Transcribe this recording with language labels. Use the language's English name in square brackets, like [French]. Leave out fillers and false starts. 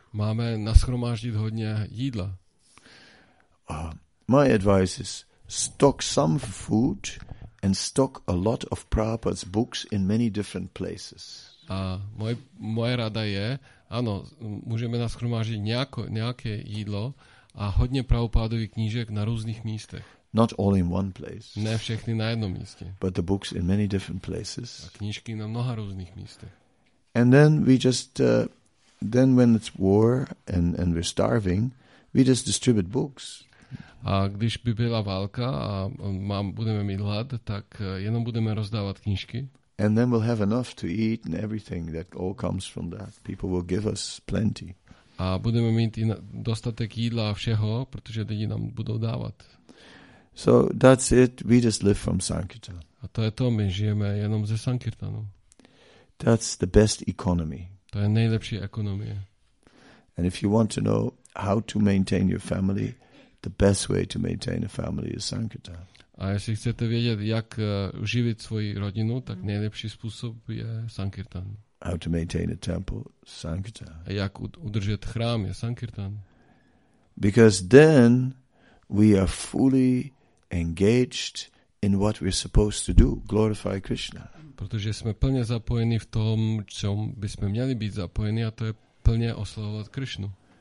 [Czech] Máme nashromáždit hodně jídla? [English] My advice is stock some food and stock a lot of Prabhupada's books in many different places. [Czech] A moje rada je, ano, můžeme nashromáždit nějaké jídlo a hodně Prabhupádových knížek na různých místech. [English] Not all in one place. [Czech] Ne všechny na jednom místě. [English] But the books in many different places. [Czech] A knížky na mnoha různých místech. [English] And then we just then when it's war and we're starving, we just distribute books. [Czech] A když by byla válka a budeme mít hlad, tak jenom budeme rozdávat knížky. [English] And then we'll have enough to eat and everything that all comes from that. People will give us plenty. [Czech] a budeme mít dostatek jídla a všeho, protože lidi nám budou dávat. [English] So that's it. We just live from sankirtan. [Czech] A to je to, my žijeme jenom ze sankirtanu. [English] That's the best economy. [Czech] To je nejlepší ekonomie. [English] And if you want to know how to maintain your family, the best way to maintain a family is sankirtan. [Czech] A jestli chcete vědět, jak živit svoji rodinu, tak nejlepší způsob je sankirtan. [English] How to maintain a temple, sankirtan. [Czech] A jak udržet chrám, je sankirtan. [English] Because then we are fully engaged in what we're supposed to do, glorify Krishna. [Czech] Protože jsme plně zapojeni v tom, co bychom měli být zapojeni, a to je plně oslavovat Krishnu.